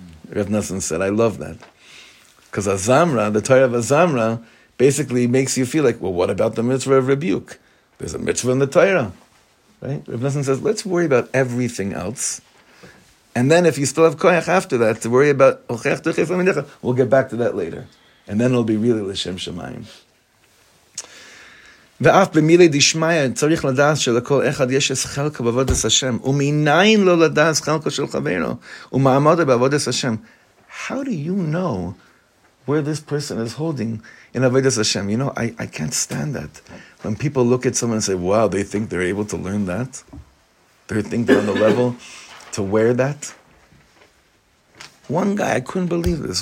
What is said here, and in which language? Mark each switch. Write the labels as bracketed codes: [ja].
[en] Rav Nosson said, I love that. Because Azamra, the Torah of Azamra, basically makes you feel like, well, what about the mitzvah of rebuke? There's a mitzvah in the Torah. Right? Rav Nosson says, let's worry about everything else. And then if you still have koyach after that, to worry about, we'll get back to that later. And then it'll be really l'shem shemayim. [he] ואף במילי דשמיה צריך לדעת שלכל אחד יש חלקו בעבודת השם. ומניין לא לדעת חלקו של חברו. ומעמודו בעבודת השם. [en] How do you know where this person is holding in עבודת השם? You know, I can't stand that. When people look at someone and say, wow, they think they're able to learn that. They think they're on the level to wear that. One guy, I couldn't believe this.